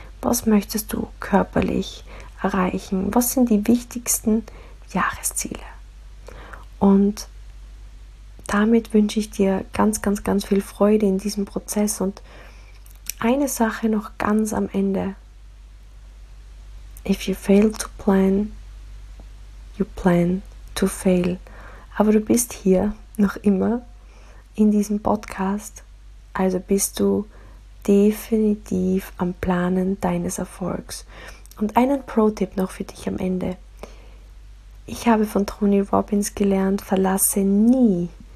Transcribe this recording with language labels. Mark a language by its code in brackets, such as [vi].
[de] Was möchtest du körperlich erreichen? Was sind die wichtigsten Jahresziele? Und damit wünsche ich dir ganz, ganz, ganz viel Freude in diesem Prozess und eine Sache noch ganz am Ende. [en] If you fail to plan, you plan to fail. [de] Aber du bist hier noch immer in diesem Podcast, also bist du definitiv am Planen deines Erfolgs. Und einen Pro-Tipp noch für dich am Ende. Ich habe von Tony Robbins gelernt, verlasse nie